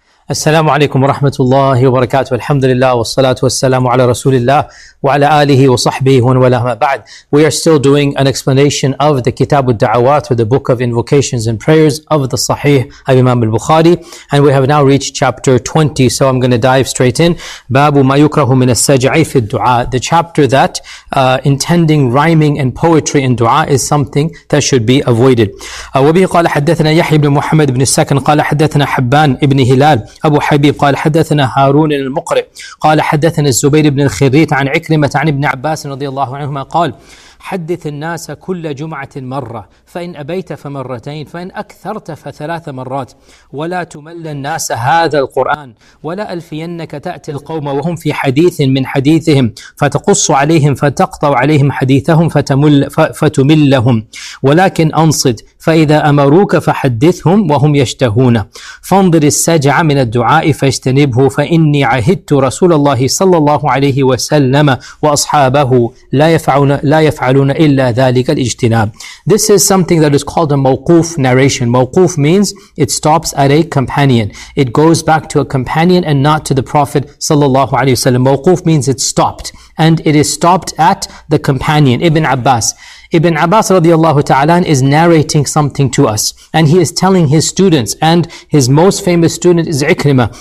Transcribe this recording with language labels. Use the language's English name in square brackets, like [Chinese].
[Arabic] السلام عليكم ورحمة الله وبركاته. الحمد لله والصلاة والسلام على رسول الله وعلى آله وصحبه ومن والاه. ما بعد, [English] we are still doing an explanation of the Kitab al-Da'awat, or the Book of Invocations and Prayers of the Sahih of Imam al-Bukhari, and we have now reached chapter 20. So I'm going to dive straight in. [Arabic] باب ما يكره من السجعي في الدعاء, [English] the chapter that intending rhyming and poetry in dua is something that should be avoided. [Arabic] وبه قال حدثنا يحيى بن محمد بن السكن قال حدثنا حبان ابن هلال أبو حبيب قال حدثنا هارون المقرئ قال حدثنا الزبير بن الخريت عن عكرمة عن ابن عباس رضي الله عنهما قال حدث الناس كل جمعة مرة, فإن أبيت فمرتين, فإن أكثرت فثلاث مرات, ولا تمل الناس هذا القرآن, ولا ألفينك تأتي القوم وهم في حديث من حديثهم فتقص عليهم فتقطع عليهم حديثهم فتملهم, ولكن أنصت فإذا أمروك فحدثهم وهم يشتهون, فانظر السجع من الدعاء فاجتنبه, فإني عهدت رسول الله صلى الله عليه وسلم وأصحابه لا يفعلون إلا ذلك الاجتناب. [English] This is something that is called a mawquf narration. Mawquf means it stops at a companion. It goes back to a companion and not to the Prophet sallallahu alaihi wasallam. Mawquf means it stopped, and it is stopped at the companion, Ibn Abbas. Ibn Abbas radiallahu ta'ala is narrating something to us, and he is telling his students, and his most famous student is Ikrimah.